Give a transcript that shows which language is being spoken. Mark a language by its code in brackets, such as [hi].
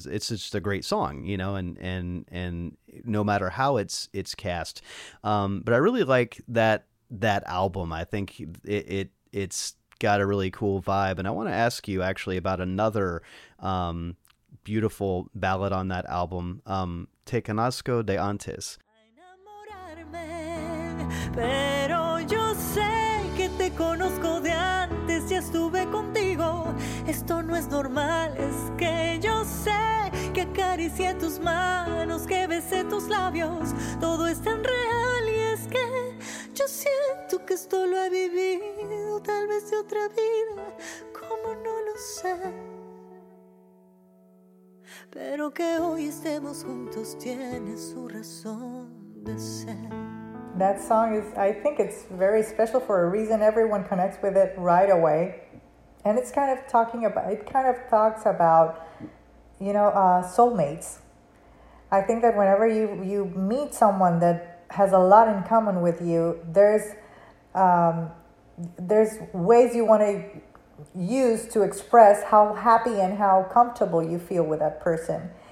[en] Is it's just a great song, you know, and no matter how it's cast. But I really like that album. I think it's got a really cool vibe. And I want to ask you actually about another beautiful ballad on that album, Te Conozco de Antes. [es] Enamorarme, pero yo sé que te conozco de antes, ya estuve contigo, esto no es normal, es que yo sé que acaricié tus manos, que besé tus labios, todo es tan real y es que yo siento que esto lo he vivido, tal vez de otra vida, como no lo sé. Pero que hoy estemos juntos tiene su razón de ser. [en] That song is, I think it's very special for a reason. Everyone connects with it right away. And it's kind of talking about, it kind of talks about, you know, soulmates. I think that whenever you meet someone that has a lot in common with you, there's ways you want to use to express how happy and how comfortable you feel with that person.